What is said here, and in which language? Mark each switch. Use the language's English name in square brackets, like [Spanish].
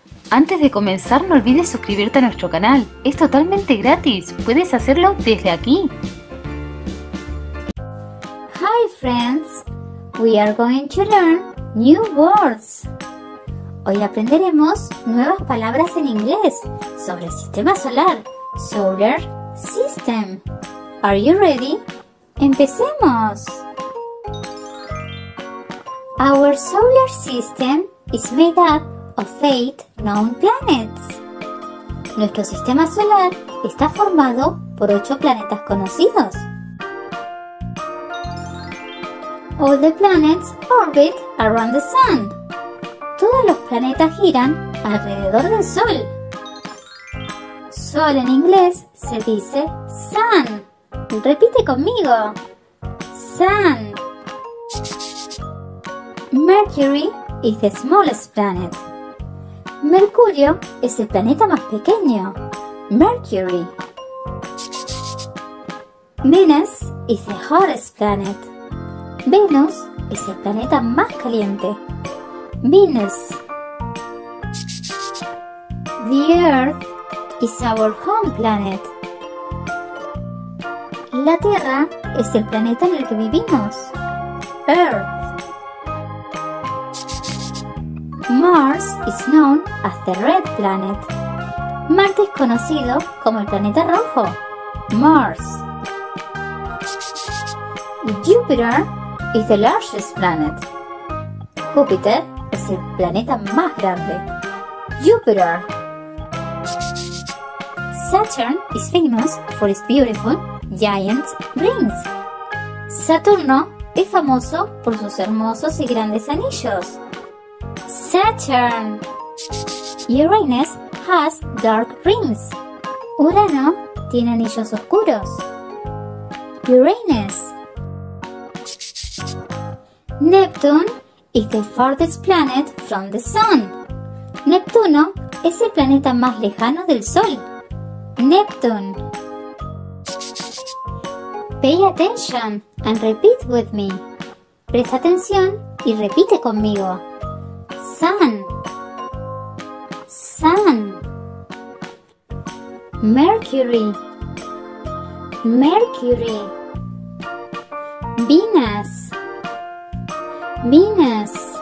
[Spanish] Antes de comenzar, no olvides suscribirte a nuestro canal. Es totalmente gratis. Puedes hacerlo desde aquí. [English] Hi friends, we are going to learn new words. [Spanish] Hoy aprenderemos nuevas palabras en inglés sobre el sistema solar. [English] Solar system. Are you ready? [Spanish] Empecemos. [English] Our solar system is made up of 8 known planets. [Spanish] Nuestro sistema solar está formado por 8 planetas conocidos. [English] All the planets orbit around the sun. [Spanish] Todos los planetas giran alrededor del sol. Sol en inglés se dice sun. Repite conmigo. Sun. [English] Mercury is the smallest planet. [Spanish] Mercurio es el planeta más pequeño. [English] Mercury. Venus is the hottest planet. [Spanish] Venus es el planeta más caliente. [English] Venus. The Earth is our home planet. [Spanish] La Tierra es el planeta en el que vivimos. [English] Earth. Mars is known as the red planet. [Spanish] Marte es conocido como el planeta rojo. [English] Mars. Jupiter is the largest planet. [Spanish] Júpiter es el planeta más grande. [English] Jupiter. Saturn is famous for its beautiful giant rings. [Spanish] Saturno es famoso por sus hermosos y grandes anillos. [English] Saturn. Uranus has dark rings. [Spanish] Urano tiene anillos oscuros. Uranus. [English] Neptune is the farthest planet from the sun. [Spanish] Neptuno es el planeta más lejano del sol. [English] Neptune. Pay attention and repeat with me. [Spanish] Presta atención y repite conmigo. [English] Sun. Sun. Mercury. Mercury. Venus. Venus.